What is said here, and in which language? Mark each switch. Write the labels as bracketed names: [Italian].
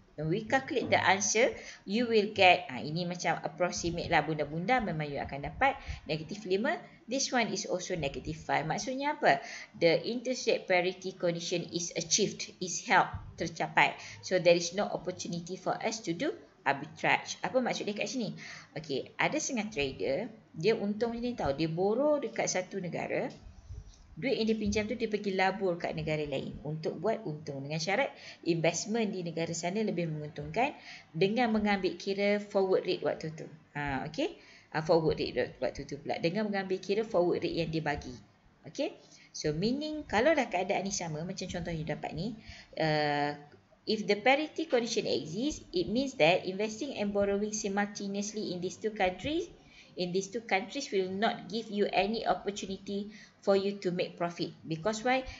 [English] When we calculate the answer, you will get, [Malay] ini macam approximate lah bunda-bunda, memang you akan dapat [English] negative 5. This one is also negative 5. [Malay] Maksudnya apa? [English] The interest rate parity condition is achieved, is held, tercapai. So, there is no opportunity for us to do arbitrage. [Malay] Apa maksud dia kat sini? Okay, ada setengah trader, dia untung macam ni tau. Dia borrow dekat satu negara, duit yang dia pinjam tu dia pergi labur kat negara lain untuk buat untung dengan syarat investment di negara sana lebih menguntungkan dengan mengambil kira forward rate waktu tu. Dengan mengambil kira forward rate yang dia bagi. [English] Okay, so meaning [Malay] kalau dah keadaan ni sama, macam contoh yang dapat ni, [English] if the parity condition exists, it means that investing and borrowing simultaneously in these two countries, will not give you any opportunity for you to make profit. Because why?